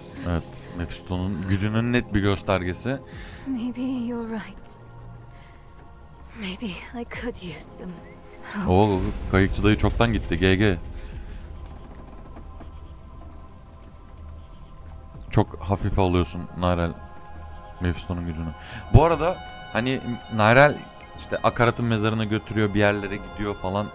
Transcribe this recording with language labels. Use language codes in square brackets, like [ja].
[tr] Evet, Mephisto'nun gücünün net bir göstergesi. [en] Maybe you're right. Maybe I could use some help. [tr] O kayıkçı dayı çoktan gitti. GG. Çok hafif alıyorsun Nairel Mephisto'nun gücünü. Bu arada hani Nairel işte Akarat'ın mezarına götürüyor, bir yerlere gidiyor falan.